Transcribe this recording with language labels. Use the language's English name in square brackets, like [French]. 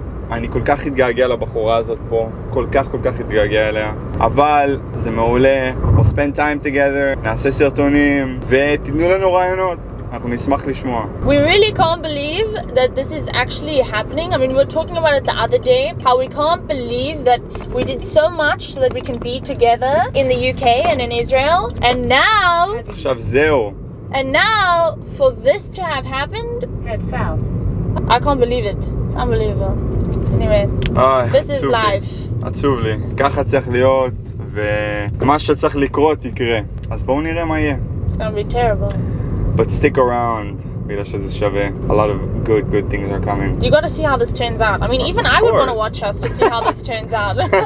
[Hebrew] אני כל כך התגעגע לבחורה הזאת פה, כל כך התגעגע אליה. אבל זה מעולה, [English] we'll spend time together, [Hebrew] נעשה סרטונים, ותתנו לנו רעיונות, אנחנו נשמח לשמוע. [English] We really can't believe that this is actually happening. I mean, we were talking about it the other day, how we can't believe that we did so much so that we can be together in the UK and in Israel, and now... [Hebrew] עכשיו זהו. [English] And now, for this to have happened... Head south. I can't believe it. It's unbelievable. Anyway, this is life. [Hebrew] עצוב לי. ככה צריך להיות, ומה שצריך לקרות יקרה. אז בואו נראה מה יהיה. [English] It's gonna be terrible. But stick around, [Hebrew] בגלל שזה שווה. [English] A lot of good, good things are coming. You gotta see how this turns out. I mean, even I would wanna watch us to see how this turns out.